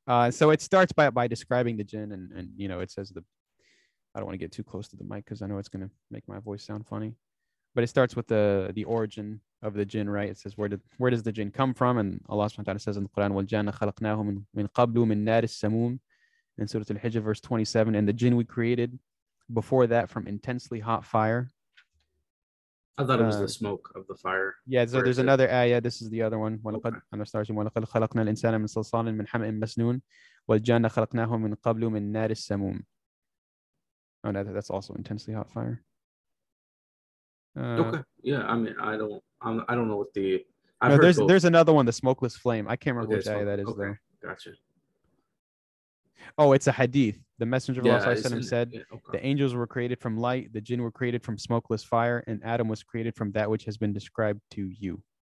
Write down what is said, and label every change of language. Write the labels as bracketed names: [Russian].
[English] So it starts by describing the Jinn, and you know, it says I don't want to get too close to the mic because I know it's going to make my voice sound funny, but it starts with the origin of the Jinn, right? It says where does the Jinn come from, and Allah subhanahu wa ta'ala says in the Quran, [Arabic] "Wal Jinna khalaqnahum min qablu min nar as-samum," [English] in Surah Al-Hijr, verse 27, and the Jinn we created before that from intensely hot fire. I thought it was the smoke of the fire. Yeah, so there's another ayah. This is the other one. Okay. [Arabic] وَلَقَدْ خَلَقْنَا الْإِنسَانَ مِنْ صَلْصَالٍ مِنْ حَمَئٍ مَسْنُونَ وَالْجَانَّ خَلَقْنَاهُ مِنْ قَبْلُ مِنْ نَارِ السَّمُومِ. [English] Oh, no, that's also intensely hot fire. Okay. Yeah, I mean, I don't know what the... There's another one, the smokeless flame. I can't remember which ayah that is, okay. There. Gotcha. Oh, it's a hadith. The Messenger of Allah said, okay. The angels were created from light, the jinn were created from smokeless fire, and Adam was created from that which has been described to you.